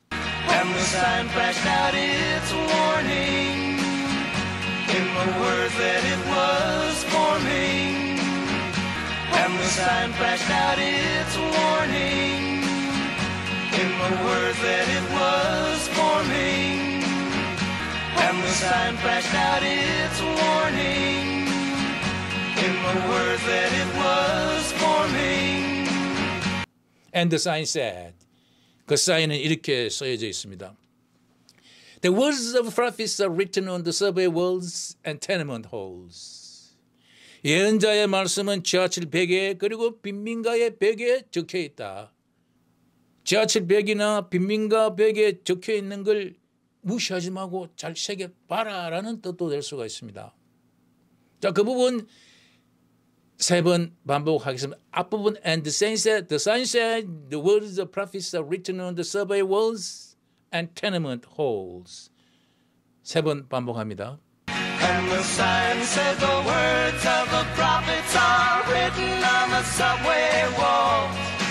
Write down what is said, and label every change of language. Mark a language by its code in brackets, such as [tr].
[en] And the sign flashed out its warning In the words that it was forming And the sign flashed out its warning In the words that it was forming And the sign flashed out its warning In the words that it was forming And the sign said [ko] 그 사인은 이렇게 쓰여져 있습니다. [en] The words of prophets are written on the subway walls and tenement halls. [ko] 예언자의 말씀은 지하철 벽에 그리고 빈민가의 벽에 적혀있다. 지하철 벽이나 빈민가 벽에 적혀 있는 걸 무시하지 말고 잘 새겨봐라 라는 뜻도 될 수가 있습니다. 자, 그 부분 세 번 반복하겠습니다. 앞부분 [en] And the sign said, the sign said, the words of prophets are written on the subway walls and tenement halls. [ko] 세 번 반복합니다. [en] And the sign said, the words of the prophets are written on the subway walls.